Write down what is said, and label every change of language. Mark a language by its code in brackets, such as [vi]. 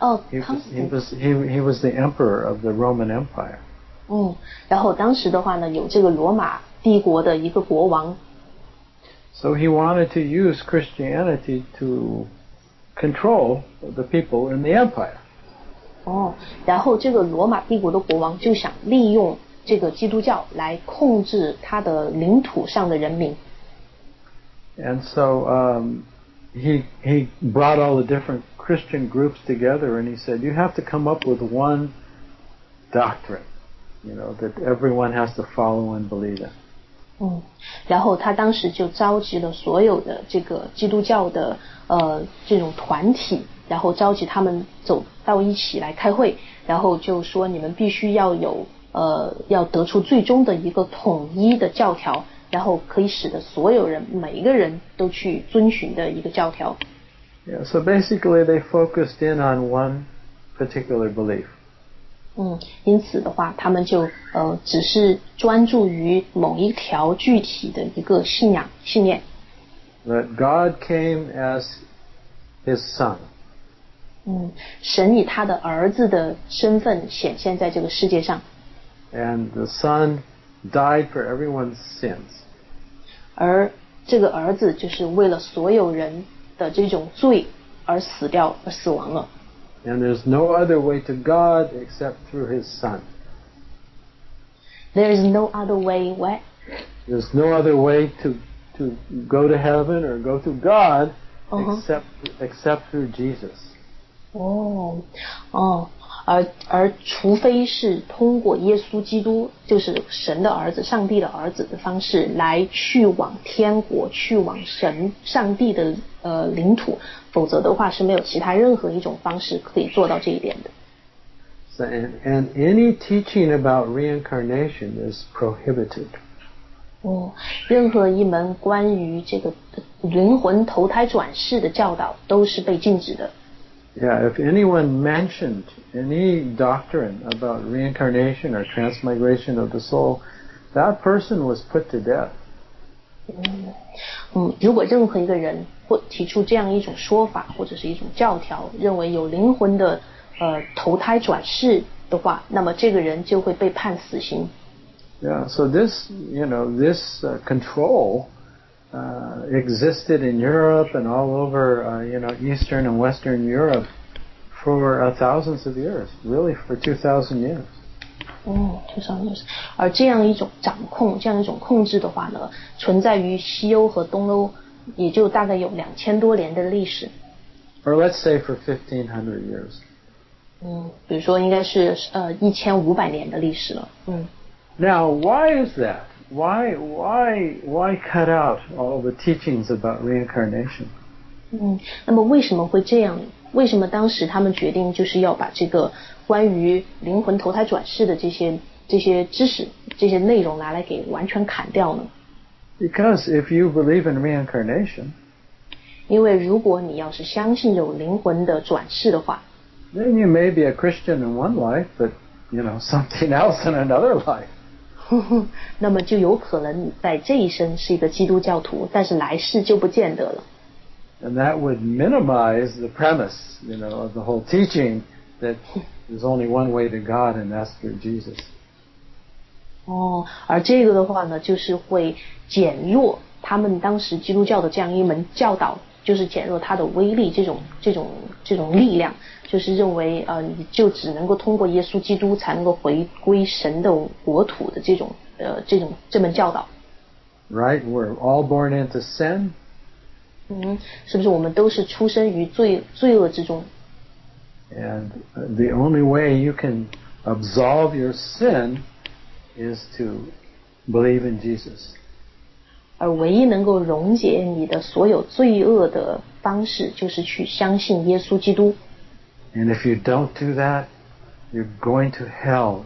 [en] He was the emperor of the Roman Empire. [zh] 然后当时的话呢，有这个罗马帝国的一个国王。 [en] So he wanted to use Christianity to control the people in the empire. [zh] 然后这个罗马帝国的国王就想利用这个基督教来控制他的领土上的人民。 [en] And so he brought all the different Christian groups together and he said, you have to come up with one doctrine, that everyone has to follow and believe in. [zh] 然后他当时就召集了所有的这个基督教的这种团体，然后召集他们走到一起来开会，然后就说你们必须要有要得出最终的一个统一的教条，然后可以使得所有人每一个人都去遵循的一个教条。 [en] Yeah, so basically they focused in on one particular belief. [zh] 因此的话他们就只是专注于某一条具体的一个信念。 [en] That God came as his son. [zh] 神以他的儿子的身份显现在这个世界上。 [en] And the son died for everyone's sins. [zh] 而这个儿子就是为了所有人的这种罪而死掉，而死亡了。 [en] And there's no other way to God except through his son. There is no other way, what? There's no other way to to go to heaven or go to God except through Jesus. Oh, oh. [zh] 而除非是通过耶稣基督，就是神的儿子、上帝的儿子的方式来去往天国，去往神、上帝的领土，否则的话是没有其他任何一种方式可以做到这一点的。 [en] So, and any teaching about reincarnation is prohibited. [zh] 哦，任何一门关于这个灵魂投胎转世的教导都是被禁止的。 [en] Yeah, if anyone mentioned any doctrine about reincarnation or transmigration of the soul, that person was put to death. [zh] 如果任何一个人或提出这样一种说法或者是一种教条，认为有灵魂的投胎转世的话，那么这个人就会被判死刑。 [en] Yeah, so this, you know, this control existed in Europe and all over, you know, Eastern and Western Europe for thousands of years, really for 2,000 years. Oh, 2,000 years. [zh] 而这样一种掌控，这样一种控制的话呢，存在于西欧和东欧，也就大概有2000多年的历史。 [en] Or let's say for 1,500 years. [zh] 比如说应该是1,500 年的历史了。 [en] Now, why is that? Why cut out all the teachings about reincarnation? [zh] 那么为什么会这样？为什么当时他们决定就是要把这个关于灵魂投胎转世的这些知识、这些内容拿来给完全砍掉呢？ [en] Because if you believe in reincarnation, [zh] 因为如果你要是相信有灵魂的转世的话， [en] then you may be a Christian in one life, but you know something else in another life. [zh] 那么就有可能你在这一生是一个基督教徒，但是来世就不见得了。 [en] And that would minimize the premise, you know, of the whole teaching that there's only one way to God and that's through Jesus. [zh] 哦，而这个的话呢，就是会减弱他们当时基督教的这样一门教导，就是减弱它的威力，这种力量，就是认为你就只能够通过耶稣基督才能够回归神的国土的这门教导。 [en] Right, we're all born into sin. [zh] 是不是我们都是出生于罪恶之中 [en] ？And the only way you can absolve your sin is to believe in Jesus. [zh] 而唯一能够溶解你的所有罪恶的方式就是去相信耶稣基督。 [en] And if you don't do that, you're going to hell.